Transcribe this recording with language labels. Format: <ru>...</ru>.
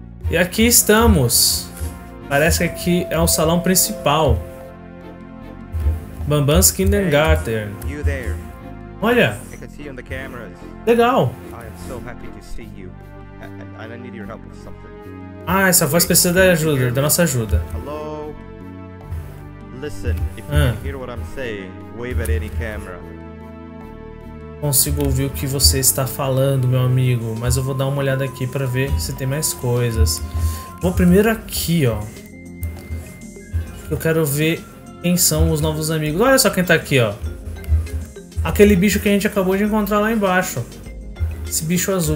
<pt>E aqui estamos. Parece que aqui é o salão principal.</pt> <en>Bambam's Kindergarten. Hey, you there.</en> <pt>Olha!</pt> <en>I can see you on the cameras.</en> <pt>Legal!</pt> <en>I am so happy to see you. I need your help with something.</en> <pt>Ah, essa voz precisa da ajuda, da nossa ajuda.</pt> <en>Hello? Listen, if you can hear what I'm saying, wave at any camera.</en> <pt>Consigo ouvir o que você está falando, meu amigo. Mas eu vou dar uma olhada aqui para ver se tem mais coisas. Vou primeiro aqui, ó. Eu quero ver quem são os novos amigos. Olha só quem tá aqui, ó. Aquele bicho que a gente acabou de encontrar lá embaixo. Esse bicho azul.</pt>